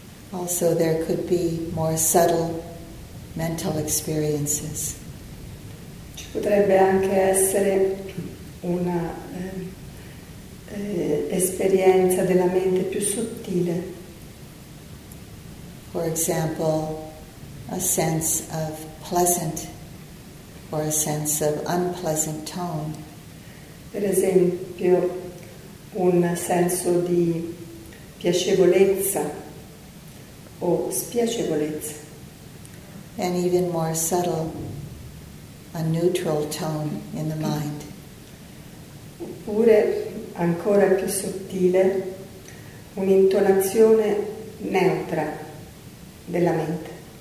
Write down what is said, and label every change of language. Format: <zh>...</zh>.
<en>Also, there could be more subtle mental experiences.</en> <it>Ci potrebbe anche essere una esperienza della mente più sottile.</it> <en>For example, a sense of pleasant or a sense of unpleasant tone.</en> <it>Per esempio, un senso di piacevolezza o spiacevolezza.</it> <en>And even more subtle, a neutral tone in the mind.</en> <it>Oppure, ancora più sottile, un'intonazione neutra della mente.</it>